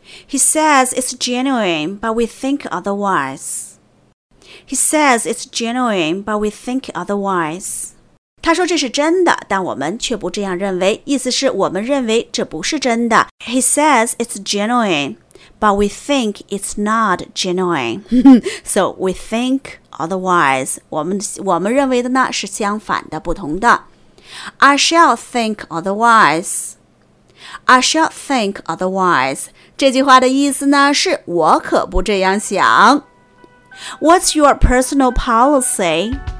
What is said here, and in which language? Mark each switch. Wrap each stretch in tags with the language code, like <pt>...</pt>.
<en>He says it's genuine, but we think otherwise. He says it's genuine, but we think otherwise.</en> <zh>他说这是真的，但我们却不这样认为，意思是我们认为这不是真的。</zh> <en>He says it's genuine, but we think it's not genuine. So we think otherwise.</en> <zh>我们认为的呢是相反的，不同的。</zh> <en>I shall think otherwise. I shall think otherwise.</en> <zh>这句话的意思呢是我可不这样想。</zh> <en>What's your personal policy?</en>